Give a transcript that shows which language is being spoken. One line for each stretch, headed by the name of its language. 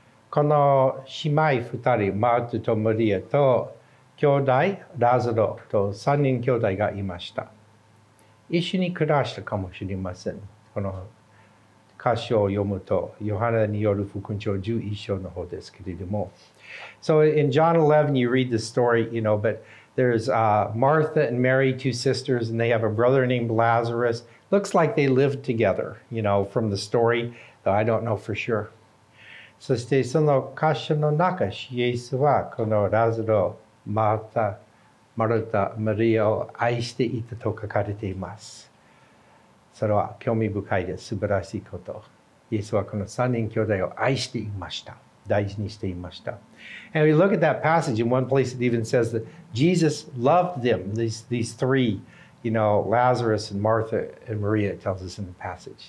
Japanese: この姉妹二人、マルタとマリアと兄弟ラザロと3人兄弟がいました。一緒に暮らしたかもしれません。この箇所を読むとヨハネによる福音書11章の方ですけれども、
English: So in John 11 you read the story, you know, but there's Martha and Mary, two sisters, and they have a brother named Lazarus. Looks like they lived together, you know, from the story, though I don't know for sure.
Japanese: そしてその箇所の中、イエスはこのラザロ、マルタ、マリアを愛していたと書かれています。それは興味深いです。素晴らしいこと。イエスはこの三人兄弟を愛していました。大事にしていました。
English: And we look at that passage, in one place it even says that Jesus loved them, these three, you know, Lazarus and Martha and Maria, it tells us in the passage.